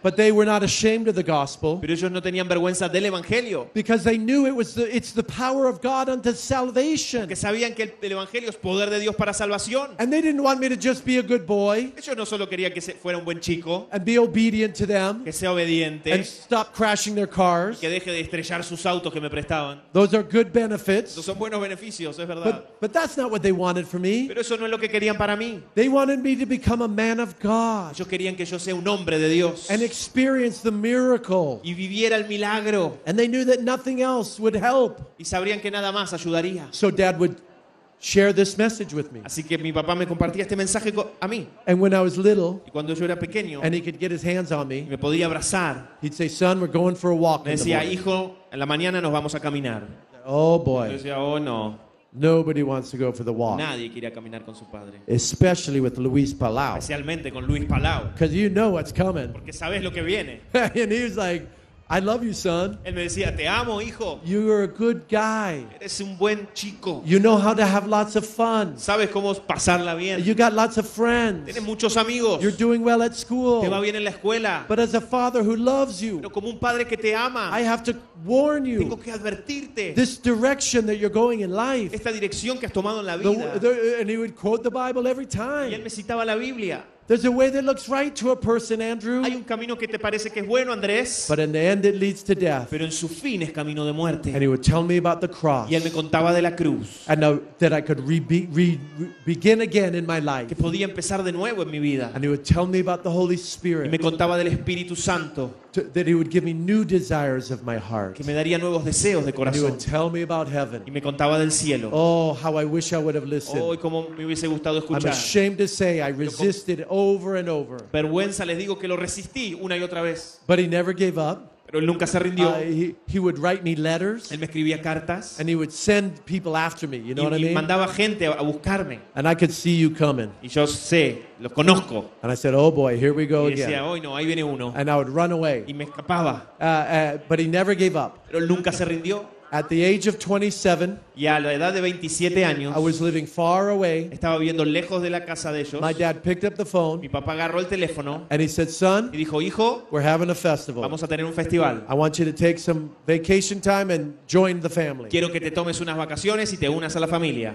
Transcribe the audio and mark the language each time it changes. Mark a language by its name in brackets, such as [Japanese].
[English] But they were not ashamed of the gospel. [Spanish] Pero ellos no tenían vergüenza del evangelio. [English] Because they knew it's the power of God unto salvation. [Spanish] Porque sabían que el evangelio es poder de Dios para salvación. [English] And they didn't want me to just be a good boy. [Spanish] Ellos no solo querían que fuera un buen chico. [English] And be obedient to them. [Spanish] Que sea obediente. [English] And stop crashing their cars. [Spanish] Y que deje de estrellar sus autos que me prestaban. [English] Those are good benefits. [Spanish] Esos son buenos beneficios, es verdad. [English] But that's not what they wanted for me. [Spanish] Pero eso no es lo que querían para mí. [English] They wanted me to become a man of God. [Spanish] Ellos querían que yo sea un nombre de Dios. [English] And experience the miracle. [Spanish] Y viviera el milagro. [English] And they knew that nothing else would help. [Spanish] Y sabrían que nada más ayudaría. [English] So Dad would share this message with me. [Spanish] Así que mi papá me compartía este mensaje a mí. [English] And when I was little, [Spanish] y cuando yo era pequeño, [English] and he could get his hands on me, [Spanish] y me podía abrazar, [English] he'd say, "Son, we're going for a walk." [Spanish] Me decía, "Hijo, en la mañana nos vamos a caminar." [English] Oh boy. [Spanish] Yo decía, "Oh no." [English] Nobody wants to go for the walk. [Spanish] Nadie quiere caminar con su padre. [English] Especially with Luis Palau. [Spanish] Especialmente con Luis Palau. [English] Because you know what's coming. [Spanish] Porque sabes lo que viene. [English] And he was like, "I love you, son." [Spanish] Él me decía, "Te amo, hijo." [English] You are a good guy. [Spanish] Eres un buen chico. [English] You know how to have lots of fun. [Spanish] Sabes cómo pasarla bien. [English] You got lots of friends. [Spanish] Tienes muchos amigos. [English] You're doing well at school. [Spanish] Te va bien en la escuela. [English] But as a father who loves you, [Spanish] pero como un padre que te ama, [English] I have to warn you. [Spanish] Tengo que advertirte. [English] This direction that you're going in life. [Spanish] Esta dirección que has tomado en la vida. [English] And he would quote the Bible every time. [Spanish] Y él me citaba la Biblia. [English] There's a way that looks right to a person, Andrew. [Spanish] Hay un camino que te parece que es bueno, Andrés. [English] But in the end, it leads to death. [Spanish] Pero en su fin es camino de muerte. [English] And he would tell me about the cross. [Spanish] Y él me contaba de la cruz. [English] And that I could begin again in my life. [Spanish] Que podía empezar de nuevo en mi vida. [English] And he would tell me about the Holy Spirit. [Spanish] Y me contaba del Espíritu Santo. [English] that he would give me new desires of my heart. [Spanish] Que me daría nuevos deseos de corazón. [English] He would tell me about heaven. [Spanish] Y me contaba del cielo. [English] Oh, how I wish I would have listened. [Spanish] Oh, cómo me hubiese gustado escuchar. [English] I'm ashamed to say I resisted over and over. [Spanish] Vergüenza les digo que lo resistí una y otra vez. [English] But he never gave up. [Spanish] Pero él nunca se rindió. [English] He would write me letters. [Spanish] Él me escribía cartas. [English] And he would send people after me. You know what I mean? [Spanish] Y mandaba gente a buscarme. [English] And I could see you coming. [Spanish] Y yo sé, los conozco. [English] And I said, "Oh boy, here we go [Spanish] y decía, Oh, no, ahí viene uno. [English] And I would run away. [Spanish] Y me escapaba. [English] But he never gave up. [Spanish] Pero él nunca se rindió. [English] At the age of 27, [Spanish] y a la edad de 27 años, [English] I was living far away. [Spanish] Estaba viviendo lejos de la casa de ellos. [English] My dad picked up the phone. [Spanish] Mi papá agarró el teléfono. [English] And he said, "Son," [Spanish] y dijo, "Hijo, [English] we're having a festival. [Spanish] Vamos a tener un festival. [English] I want you to take some vacation time and join the family." [Spanish] Quiero que te tomes unas vacaciones y te unas a la familia.